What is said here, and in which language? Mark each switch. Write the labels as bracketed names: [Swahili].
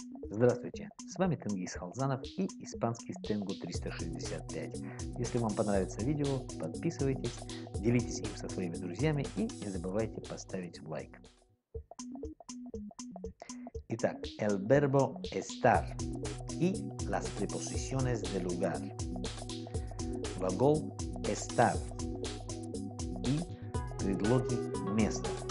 [Russian] Здравствуйте, с вами Тенгиз Халзанов и испанский Стенгу 365. Если вам понравится видео, подписывайтесь, делитесь им со своими друзьями и не забывайте поставить лайк. Итак, [Spanish] el verbo estar y las preposiciones de lugar. [Russian] Глагол estar и предлоги места.